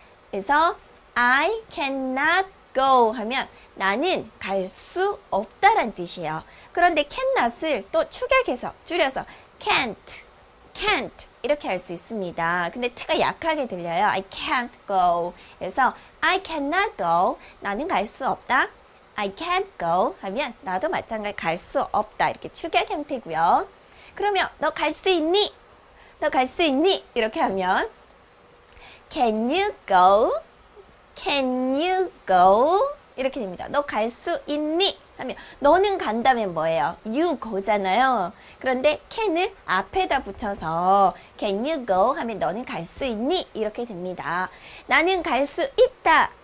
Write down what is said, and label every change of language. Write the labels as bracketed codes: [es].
[ko] 그래서 [en] I cannot go [ko] 하면 나는 갈 수 없다란 뜻이에요. 그런데 cannot을 또 축약해서 줄여서 can't 이렇게 할 수 있습니다. 근데 t가 약하게 들려요. [en] I can't go. 그래서 I cannot go. [ko] 나는 갈 수 없다. [en] I can't go [ko] 하면 나도 마찬가지 갈 수 없다. 이렇게 축약 형태고요. 그러면 너 갈 수 있니? 너 갈 수 있니? 이렇게 하면 [en] Can you go? Can you go? [ko] 이렇게 됩니다. 너 갈 수 있니? 하면 너는 간다면 뭐예요? [en] You go잖아요. [ko] 그런데 can을 앞에다 붙여서 [en] Can you go? [ko] 하면 너는 갈 수 있니? 이렇게 됩니다. 나는 갈 수 있다.